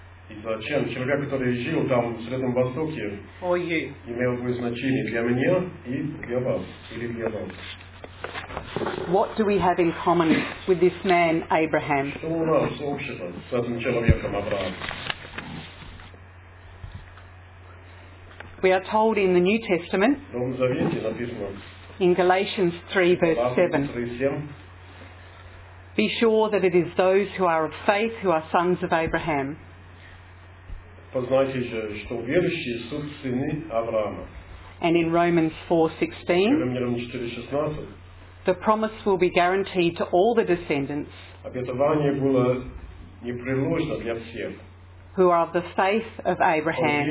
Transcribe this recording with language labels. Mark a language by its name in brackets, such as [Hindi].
[Russian] И зачем человек, который жил там в Среднем Востоке, имел бы значение для меня и для вас, или для вас? [English] What do we have in common with this man Abraham? [Russian] Что у нас общего с этим человеком Авраам? [English] We are told in the New Testament. [Russian] В Новом Завете написано. [English] In Galatians 3, verse 7. Be sure that it is those who are of faith who are sons of Abraham. [Russian] Познайте же, что верующие суть сыны Авраама. [English] And in Romans 4:16, the promise will be guaranteed to all the descendants. [Russian] Обетование было непреложно для всех. [English] Who are of the faith of Abraham.